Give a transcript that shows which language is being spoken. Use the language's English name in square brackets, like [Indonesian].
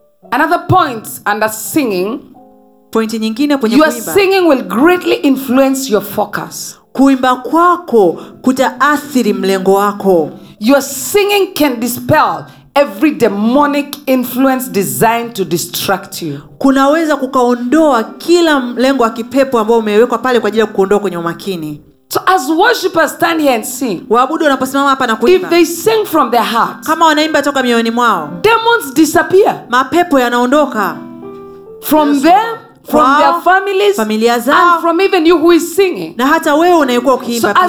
[English] Another point under singing. [Swahili] Point nyingine kwenye kuimba. [English] Your singing will greatly influence your focus. [Swahili] Kuimba kwako kutaathiri mlengo wako. [English] Your singing can dispel every demonic influence designed to distract you. [Swahili] Kunaweza kukaondoa kila mlengo wa kipepo ambao umewekwa pale kwa ajili ya kuondoa kwenye umakini. [English] So as worshippers stand here and sing, [Swahili] waabudu wanaposimama hapa na kuimba, [English] if they sing from their heart, [Swahili] kama wanaimba toka mioyoni mwao, [English] demons disappear. [Swahili] Mapepo yanaondoka. [English] From them, from wow, their families, [Swahili] familia zao, [English] and from even you who is singing. [Swahili] Na hata wewe unayekuwa ukiimba pia.